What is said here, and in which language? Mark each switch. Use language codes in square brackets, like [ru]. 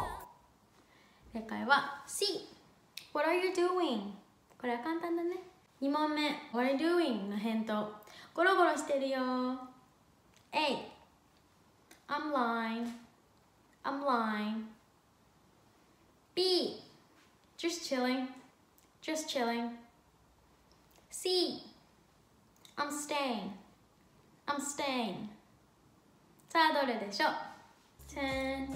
[ja] 10 9 8 7 6 5 4 3 2 1。正解は C [en] What are you doing? [ja] これは簡単だね。 2問目、 [en] What are you doing? [ja] の返答、ゴロゴロしてるよ。 [en] A I'm lying B Just chilling C I'm staying [ja] さあどれでしょう。